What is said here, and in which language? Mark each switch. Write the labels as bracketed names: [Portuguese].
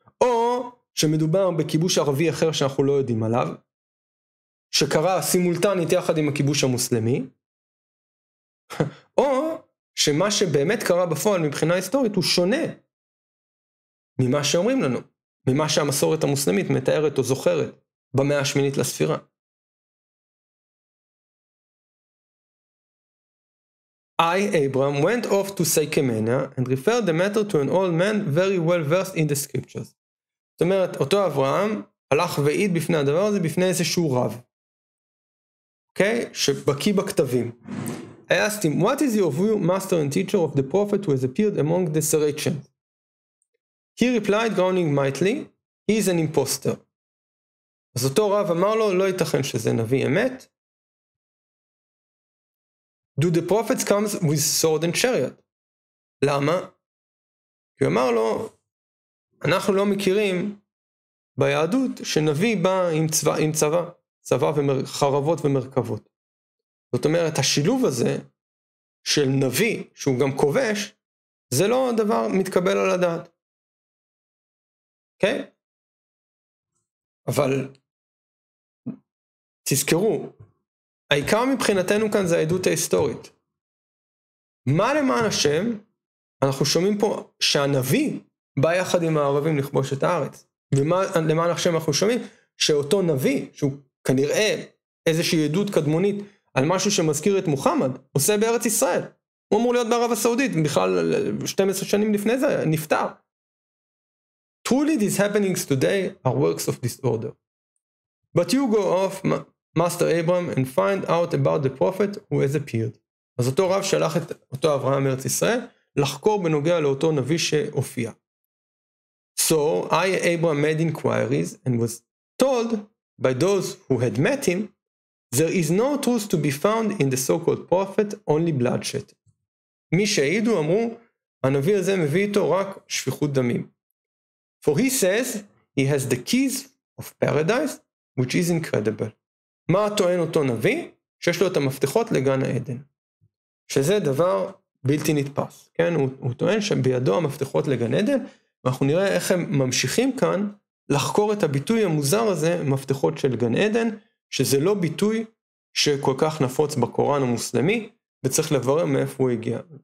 [Hebrew] או שמדובר בכיבוש ערבי אחר שאנחנו לא יודעים עליו, שקרה סימולטנית יחד עם הכיבוש המוסלמי, או שמה שבאמת קרה בפועל מבחינה היסטורית הוא שונה ממה שאומרים לנו, ממה שהמסורת המוסלמית מתארת או זוכרת במאה השמינית לספירה. [English] I, Abraham, went off to Sycamania and referred the matter to an old man very well versed in the scriptures. [Hebrew] זאת אומרת, אותו אברהם הלך ועיד בפני הדבר הזה, בפני איזשהו רב. אוקיי? שבקי בכתבים. [English] I asked him, what is your view, master and teacher of the prophet who has appeared among the Saritians? He replied, groaning mightily, he is an imposter. [Hebrew] אז אותו רב אמר לו, לא ייתכן שזה נביא אמת. [English] Do the prophets come with sword and chariot? [Hebrew] למה? הוא אמר לו, אנחנו לא מכירים ביהדות שנביא בא עם צבא, עם צבא. צבא וחרבות ומרכבות. זאת אומרת, השילוב הזה של נביא, שהוא גם כובש, זה לא דבר מתקבל על הדעת. אוקיי? אבל תזכרו, העיקר מבחינתנו כאן זה העדות ההיסטורית. מה למען השם? אנחנו שומעים פה שהנביא בא יחד עם הערבים לכבוש את הארץ. ומה למען השם אנחנו שומעים? שאותו נביא, שהוא כנראה איזושהי עדות קדמונית על משהו שמזכיר את מוחמד, עושה בארץ ישראל. הוא אמור להיות בערב הסעודית, בכלל 12 שנים לפני זה, נפטר. [English] Truly these happenings today are works of disorder. But you go off, Master Abraham, and find out about the prophet who has appeared. [Hebrew] אז אותו רב שלח את אותו אברהם מארץ ישראל, לחקור בנוגע לאותו נביא שהופיע. [English] So I, Abraham, made inquiries and was told by those who had met him, there is no truth to be found in the so-called prophet, only bloodshed. [Hebrew] מי שהעידו אמרו, הנביא הזה מביא איתו רק שפיכות דמים. [English] For he says he has the keys of paradise, which is incredible. [Hebrew] מה טוען אותו נביא? שיש לו את המפתחות לגן העדן. שזה דבר בלתי נתפס. כן? הוא טוען שבידו המפתחות לגן עדן, ואנחנו נראה איך הם ממשיכים כאן לחקור את הביטוי המוזר הזה, מפתחות של גן עדן, שזה לא ביטוי שכל כך נפוץ בקוראן המוסלמי, וצריך לברר מאיפה הוא הגיע.